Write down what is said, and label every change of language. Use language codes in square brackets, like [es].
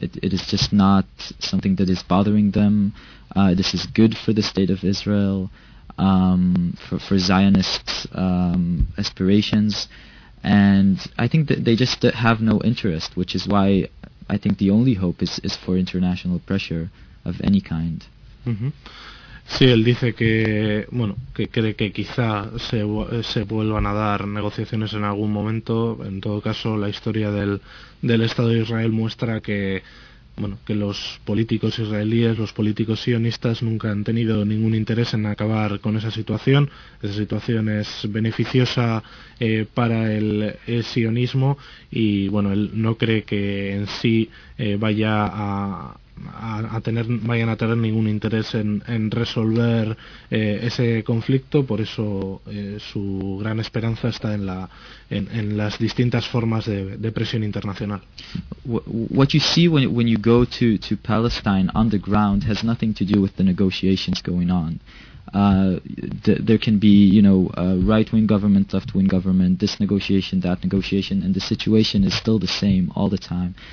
[en] It is just not something that is bothering them. This is good for the state of Israel, for Zionists' aspirations, and I think that they just have no interest, which is why I think the only hope is for international pressure of any kind. [es] Sí, él dice que, bueno, que cree que quizá se vuelvan a dar negociaciones en algún momento. En todo caso, la historia del Estado de Israel muestra que, bueno, que los políticos israelíes, los políticos sionistas, nunca han tenido ningún interés en acabar con esa situación. Esa situación es beneficiosa para el sionismo, y bueno, él no cree que en sí vayan a tener ningún interés en resolver ese conflicto. Por eso su gran esperanza está en las distintas formas de presión internacional. [en] What you see when you go to Palestine on the ground has nothing to do with the negotiations going on. There can be, you know, right-wing government, left-wing government, this negotiation, that negotiation, and the situation is still the same all the time.